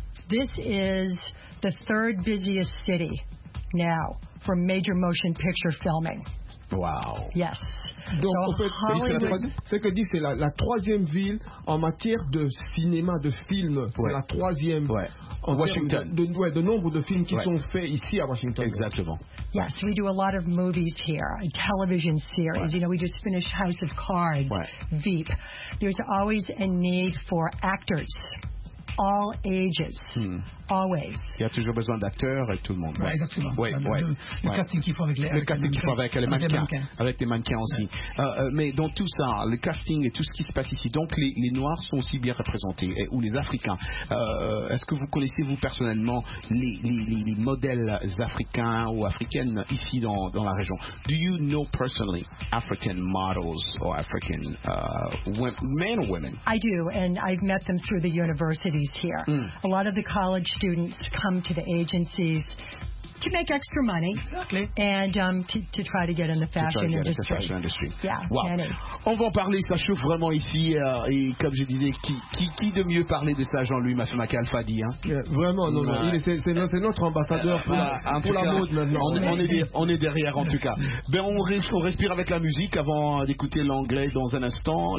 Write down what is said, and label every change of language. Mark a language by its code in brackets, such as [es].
[en] This is the third busiest city now for major motion picture filming. Wow. Yes. [fr] Donc, so, en fait, c'est la troisième ville en matière de cinéma, de films. Ouais. C'est la troisième. Ouais. En Washington. De nombre de films qui sont faits ici à Washington. Exactement. [en] Yes, we do a lot of movies here, television series. [fr] Ouais. [en] You know, we just finished House of Cards, Veep. There's always a need for actors. All ages, always. [fr] Il y a toujours besoin d'acteurs et tout le monde. Ouais, exactement. Ouais, le casting qu'il faut avec les mannequins. Le casting qu'il faut avec les mannequins. Avec les mannequins aussi. Ouais. Mais dans tout ça, le casting et tout ce qui se passe ici, donc les Noirs sont aussi bien représentés, ou les Africains. Est-ce que vous connaissez, vous, personnellement, les modèles africains ou africaines ici dans la région? [en] Do you know personally African models or African men or women? I do, and I've met them through the university. Here. Mm. A lot of the college students come to the agencies to make extra money and to try to get in the fashion industry. The fashion industry. Yeah, wow. [fr] On va en parler, ça chauffe vraiment ici. Et comme je disais, qui de mieux parler de ça, Jean-Louis Massumaka Alpha Di, hein? Vraiment, non. C'est notre ambassadeur pour la mode maintenant. On est derrière en tout cas. Ben, on respire avec la musique avant d'écouter l'anglais dans un instant.